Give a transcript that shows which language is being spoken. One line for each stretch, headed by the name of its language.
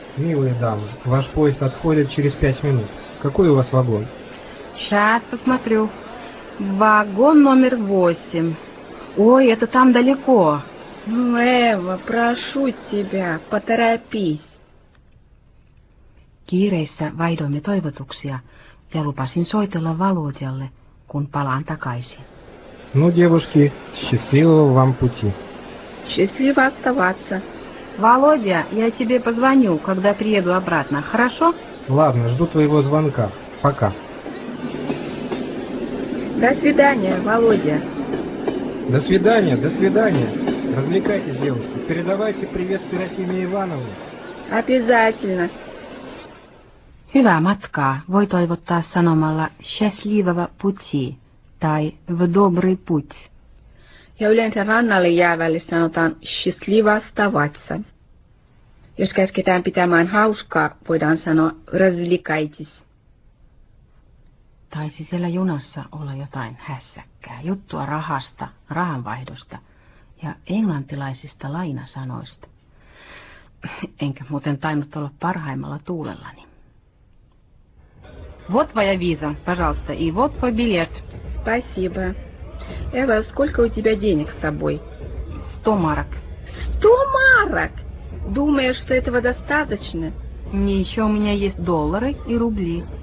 Russian: Милые дамы, ваш поезд отходит через 5 минут. Какой у вас вагон? Сейчас посмотрю. Вагон номер 8. Ой, это там далеко. Ну, Эва, прошу тебя, поторопись.
Finnish: Kiireissä vaihdoimme toivotuksia ja lupasin soitella Володялle, kun palaan takaisin.
Russian: Ну, девушки, счастливого вам пути. Счастливо оставаться. Володя, я тебе позвоню, когда приеду обратно, хорошо? Ладно, жду твоего звонка. Пока. До свидания, Володя. До свидания, до свидания. Развлекайтесь, девушки. Передавайте привет Серафиме Ивановне. Обязательно.
Finnish: Hyvää matkaa voi toivottaa sanomalla
Russian: счастливого пути
Finnish: tai
Russian: в добрый путь.
Finnish: Ja yleensä rannalle jäävälle sanotaan
Russian: счастливо оставаться.
Finnish: Jos käsketään pitämään hauskaa, voidaan sanoa развлекайтесь. Taisi siellä junassa olla jotain hässäkkää, juttua rahasta, rahanvaihdosta ja englantilaisista lainasanoista. Enkä muuten tainnut olla parhaimmalla tuulellani.
Russian: Вот твоя виза, пожалуйста, и вот твой билет. Спасибо. Эва, сколько у тебя денег с собой? 100 марок. 100 марок? Думаешь, что этого достаточно? Не, еще у меня есть доллары и рубли.